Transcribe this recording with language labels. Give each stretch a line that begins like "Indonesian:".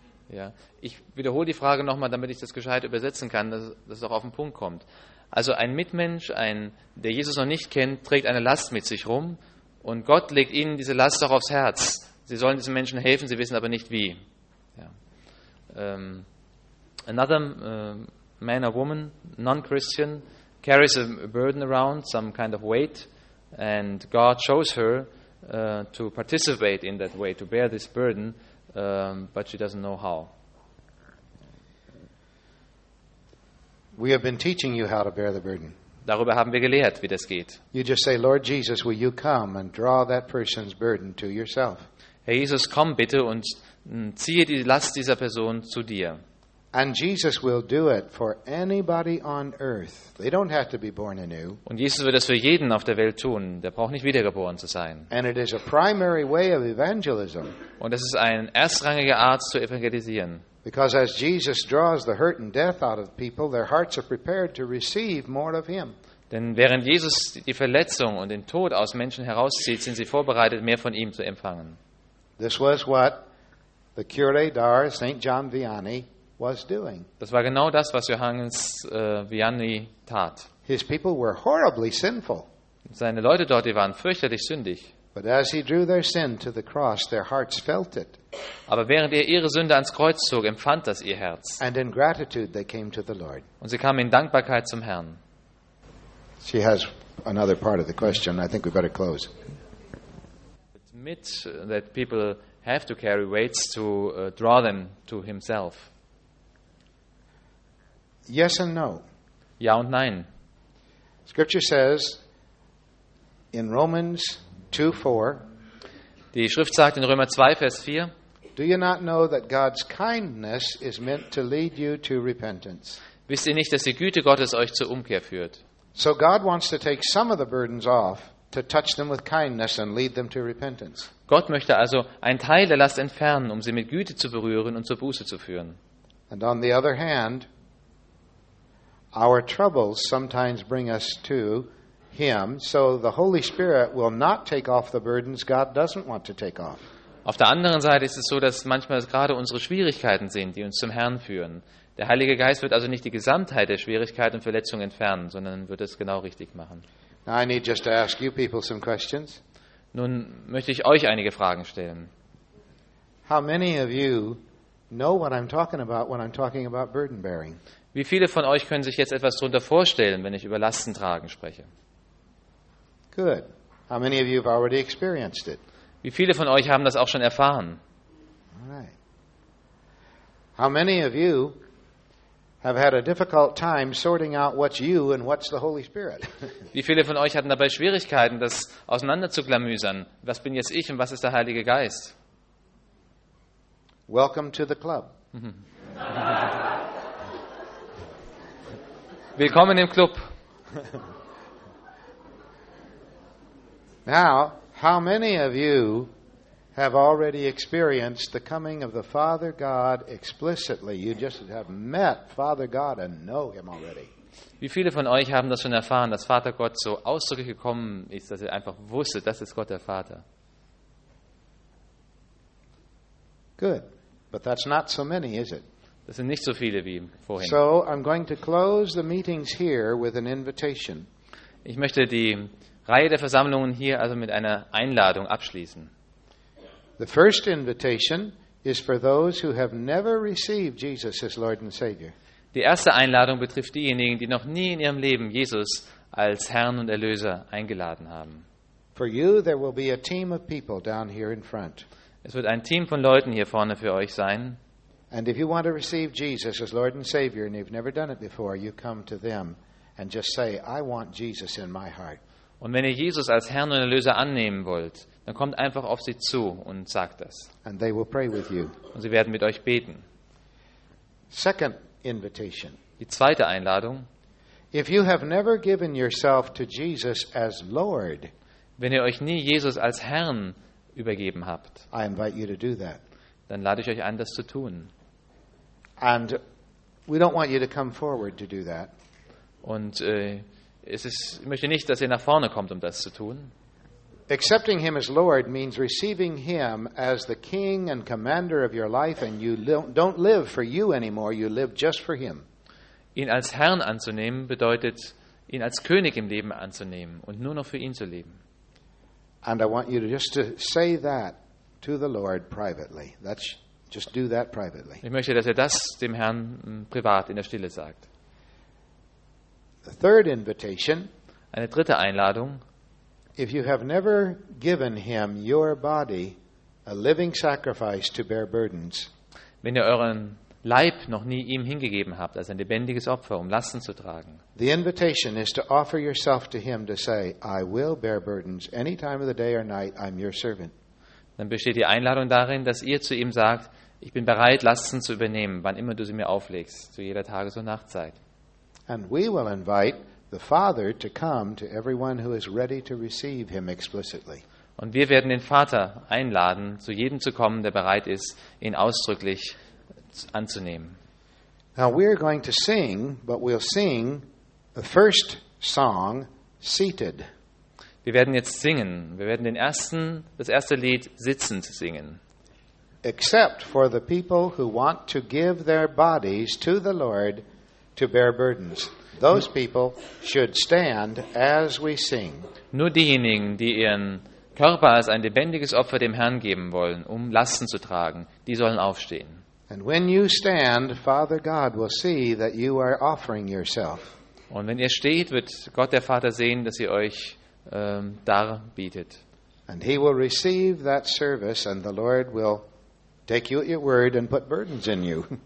German: Ja, ich wiederhole die Frage nochmal, damit ich das gescheit übersetzen kann, dass es auch auf den Punkt kommt. Also ein Mitmensch, der Jesus noch nicht kennt, trägt eine Last mit sich rum und Gott legt ihnen diese Last auch aufs Herz. Sie sollen diesen Menschen helfen, sie wissen aber nicht wie. Ja.
English: Another man or woman, non-Christian, carries a burden around, some kind of weight, and God shows her to participate in that way, to bear this burden, but she doesn't know how. We have been teaching you how to bear the burden.
German: Darüber haben wir gelehrt, wie das geht.
English: You just say, Lord Jesus, will you come and draw that person's burden to yourself?
German: Herr Jesus, komm bitte und ziehe die Last dieser Person zu dir.
English: And Jesus will do it for anybody on earth. They don't have to be born anew.
German: Und Jesus wird das für jeden auf der Welt tun. Der braucht nicht wiedergeboren zu sein.
English: And it is a primary way of evangelism.
German: Und das ist eine erstrangige Art zu evangelisieren.
English: Because as Jesus draws the hurt and death out of people, their hearts are prepared to receive more of him.
German: Denn während Jesus die Verletzung und den Tod aus Menschen herauszieht, sind sie vorbereitet, mehr von ihm zu empfangen.
English: This was what the curé d'Ars, St. John Vianney, was doing.
German: Das war genau das, was Johannes Vianney tat.
English: His people were horribly sinful.
German: Seine Leute dort, die waren fürchterlich sündig.
English: But as he drew their sin to the cross, their hearts felt it.
German: Aber während er ihre Sünde ans Kreuz zog, empfand das ihr Herz.
English: And in gratitude they came to the Lord.
German: Und sie kamen in Dankbarkeit zum Herrn.
English: She has another part of the question. I think we better close. Admit that people have to carry weights to draw them to himself. Yes and no.
German: Ja und nein.
English: Scripture says in Romans 2:4.
German: Die Schrift sagt in Römer 2 Vers 4.
English: Do you not know that God's kindness is meant to lead you to repentance?
German: Wisst ihr nicht, dass die Güte Gottes euch zur Umkehr führt?
English: So God wants to take some of the burdens off to touch them with kindness and lead them to repentance.
German: Gott möchte also einen Teil der Last entfernen, um sie mit Güte zu berühren und zur Buße zu führen.
English: And on the other hand, our troubles sometimes bring us to him, so the Holy Spirit will not take off the burdens God doesn't want to take off.
German: Auf der anderen Seite ist es so, dass manchmal es gerade unsere Schwierigkeiten sind, die uns zum Herrn führen. Der Heilige Geist wird also nicht die Gesamtheit der Schwierigkeiten und Verletzungen entfernen, sondern wird es genau richtig machen.
English: Now I need just to ask you people some questions.
German: Nun möchte ich euch einige Fragen stellen.
English: How many of you know what I'm talking about when I'm talking about burden bearing?
German: Wie viele von euch können sich jetzt etwas darunter vorstellen, wenn ich über Lastentragen spreche?
English: Good. How many of you have already experienced it?
German: Wie viele von euch haben das auch schon erfahren?
English: All right. How many of you have had a difficult time sorting out what's you and what's the Holy Spirit?
German: Wie viele von euch hatten dabei Schwierigkeiten, das auseinander zu klamüsern? Was bin jetzt ich und was ist der Heilige Geist?
English: Welcome to the club.
German: Willkommen im Club.
English: Now, how many of you have already experienced the coming of the Father God explicitly? You just have met Father God and know him already.
German: Wie viele von euch haben das schon erfahren, dass Vater Gott so ausdrücklich gekommen ist, dass ihr einfach wusstet, das ist Gott der Vater?
English: Good. But that's not so many, is it?
German: Das sind nicht so viele wie vorhin.
English: So I'm going to close the meetings here with an invitation.
German: Ich möchte die Reihe der Versammlungen hier also mit einer Einladung abschließen.
English: The first invitation is for those who have never received Jesus as Lord and Savior.
German: Die erste Einladung betrifft diejenigen, die noch nie in ihrem Leben Jesus als Herrn und Erlöser eingeladen haben.
English: For you there will be a team of people down here in front.
German: Es wird ein Team von Leuten hier vorne für euch sein.
English: And if you want to receive Jesus as Lord and Savior and you've never done it before, you come to them and just say, I want Jesus in my heart.
German: Und wenn ihr Jesus als Herrn und Erlöser annehmen wollt, dann kommt einfach auf sie zu und sagt das.
English: And they will pray with you.
German: Und sie werden mit euch beten.
English: Second invitation.
German: Die zweite Einladung.
English: If you have never given yourself to Jesus as Lord,
German: wenn ihr euch nie Jesus als Herrn übergeben habt,
English: I invite you to do that.
German: Dann lade ich euch ein, das zu tun.
English: And we don't want you to come forward to do that.
German: Und ich möchte nicht, dass ihr nach vorne kommt, um das zu tun.
English: Accepting him as Lord means receiving him as the king and commander of your life, and you don't live for you anymore, you live just for him.
German: Ihn als Herrn anzunehmen bedeutet, ihn als König im Leben anzunehmen und nur noch für ihn zu leben.
English: And I want you to just to say that to the Lord privately. That's just do that privately.
German: Ich möchte, dass ihr das dem Herrn privat in der Stille sagt.
English: The third invitation,
German: eine dritte Einladung.
English: If you have never given him your body a living sacrifice to bear burdens.
German: Wenn ihr euren Leib noch nie ihm hingegeben habt, als ein lebendiges Opfer, um Lasten zu tragen.
English: The invitation is to offer yourself to him to say, I will bear burdens any time of the day or night, I'm your servant.
German: Dann besteht die Einladung darin, dass ihr zu ihm sagt, ich bin bereit, Lasten zu übernehmen, wann immer du sie mir auflegst, zu jeder Tages- und Nachtzeit.
English: And we will invite the Father to come to everyone who is ready to receive him explicitly.
German: Und wir werden den Vater einladen, zu jedem zu kommen, der bereit ist, ihn ausdrücklich anzunehmen.
English: Now we're going to sing, but we'll sing the first song, seated.
German: Wir werden jetzt singen. Wir werden das erste Lied sitzend singen.
English: Except for the people who want to give their bodies to the Lord to bear burdens. Those people should stand as we sing.
German: Nur diejenigen, die ihren Körper als ein lebendiges Opfer dem Herrn geben wollen, um Lasten zu tragen, die sollen aufstehen.
English: And when you stand, Father God will see that you are offering yourself.
German: Und wenn ihr steht, wird Gott der Vater sehen, dass ihr euch darbietet.
English: And he will receive that service, and the Lord will take you at your word and put burdens in you.